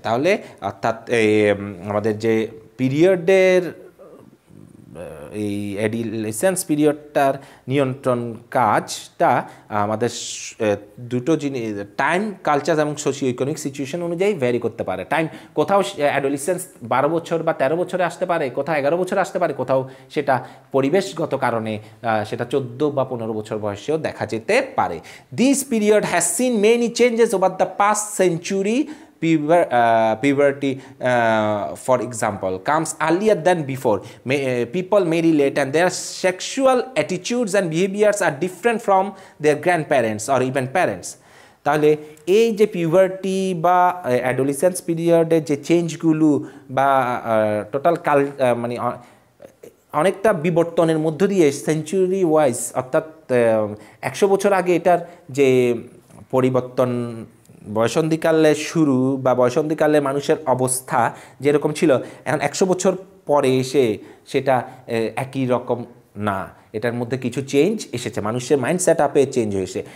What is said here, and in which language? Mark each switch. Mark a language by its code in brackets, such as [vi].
[bn] তাহলে অর্থাৎ আমাদের যে পিরিয়ডের এই অ্যাডোলেসেন্স পিরিয়ডটার নিয়ন্ত্রণ কাজটা আমাদের দুটো জিনিস, টাইম, কালচার এবং সোশিও ইকোনমিক সিচুয়েশন অনুযায়ী ভ্যারি করতে পারে। টাইম কোথাও অ্যাডোলেসেন্স 12 বছর বা 13 বছরে আসতে পারে, কোথাও 11 বছরে আসতে পারে, কোথাও সেটা পরিবেশগত কারণে সেটা 14 বা 15 বছর বয়সেও দেখা যেতে পারে। [en] This period has seen many changes over the past century. Puberty, for example, comes earlier than before. People marry late and their sexual attitudes and behaviors are different from their grandparents or even parents. [bn] তাহলে এই যে puberty বা অ্যাডোলিসেন্স পিরিয়ডের যে চেঞ্জগুলো বা total কাল মানে অনেকটা বিবর্তনের মধ্য দিয়ে সেঞ্চুরি ওয়াইজ, অর্থাৎ 100 বছর আগে এটার যে পরিবর্তন, বয়সন্ধিকালে শুরু বা বয়সন্ধিকালে মানুষের অবস্থা যেরকম ছিল, এখন 100 বছর পরে এসে সেটা একই রকম না, এটার মধ্যে কিছু চেঞ্জ এসেছে, মানুষের মাইন্ডসেট আপে চেঞ্জ হয়েছে।